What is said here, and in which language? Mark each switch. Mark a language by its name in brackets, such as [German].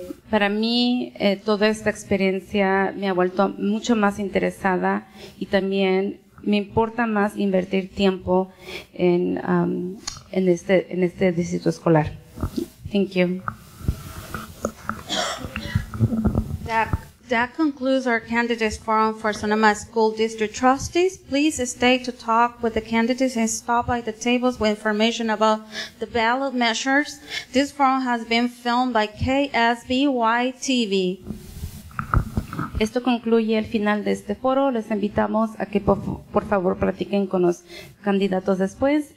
[Spanish] Para mí, toda esta experiencia me ha vuelto mucho más interesada y también me importa más invertir tiempo en este distrito escolar. [English] Thank you. That concludes our candidates forum for Sonoma School District Trustees. Please stay to talk with the candidates and stop by the tables with information about the ballot measures. This forum has been filmed by KSBY TV. [Spanish] Esto concluye el final de este foro. Les invitamos a que por favor platiquen con los candidatos después.